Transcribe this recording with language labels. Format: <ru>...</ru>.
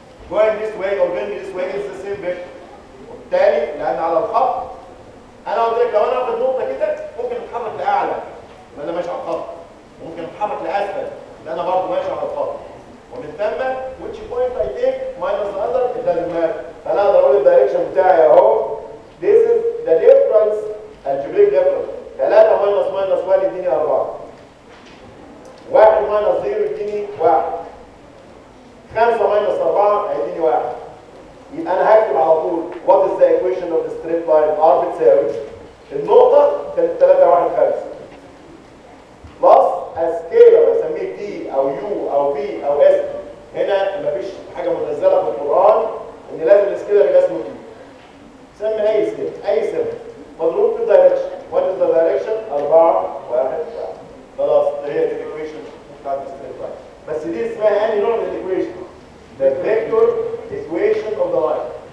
<en>Going this way or going this way is the same vector.</en> <ar>وبالتالي لان على الخط انا قلت لك لو انا واخد نقطه كده ممكن اتحرك لاعلى ما انا ماشي على الخط. ممكن اتحرك لاسفل ده انا برضه ماشي على الخط. ومن ثم</ar> <en>which point I take minus the other it doesn't matter.</en> <ar>فانا اقدر اقول الدايركشن بتاعي اهو</ar> <en>this is the difference algebraic difference. 3 minus minus 1 يديني 4. 1 minus 0 يديني 1. 5 minus 4 هيديني 1.</en> <ar>يبقى انا هكتب على طول</ar> <en>what is the equation of the straight line r</en> <ar>بتساوي النقطة كانت 3 1 5</ar> <en>plus a scalar</en> <ar>اسميه t او u او v او s. هنا مفيش حاجة منزلة في القرآن ان لازم السكيلر يبقى اسمه t. سمي اي سكيلر اي سكيلر مضروب في الدايركشن.</ar> <en>What is the direction?</en> <ar>4 1 1 خلاص هي دي الايكويشن بتاعت الستريت لاين. بس دي اسمها انهي نوع من الايكويشن؟</ar> <en>The vector equation of the line.</en>